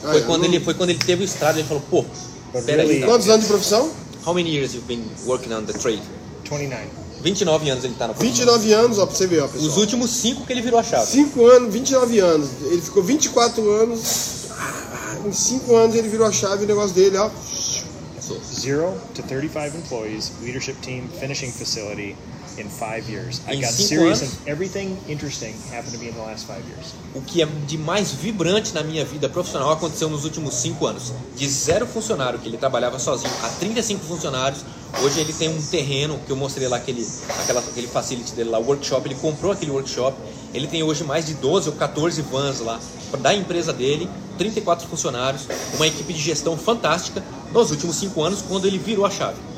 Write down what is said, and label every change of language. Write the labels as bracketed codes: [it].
[pt] Foi quando ele teve o estrado, ele falou, pô, peraí. Quantos anos de profissão? [en] How many years you've been working on the trade? 29. [pt] 29 anos ele tá no profissão. 29 anos, ó, pra você ver, ó, pessoal. Os últimos 5 que ele virou a chave. 5 anos, 29 anos. Ele ficou 24 anos. Em 5 anos ele virou a chave, o negócio dele, ó. [en] Zero to 35 employees, leadership team, finishing facility in 5 years. [pt] Em [en] I got serious and everything interesting happened to me in the last 5 years. [pt] O que é de mais vibrante na minha vida profissional aconteceu nos últimos 5 anos. De zero funcionário, que ele trabalhava sozinho, a 35 funcionários, hoje ele tem um terreno que eu mostrei lá, aquele facility dele lá, o workshop, ele comprou aquele workshop. Ele tem hoje mais de 12 ou 14 vans lá da empresa dele, 34 funcionários, uma equipe de gestão fantástica nos últimos 5 anos, quando ele virou a chave.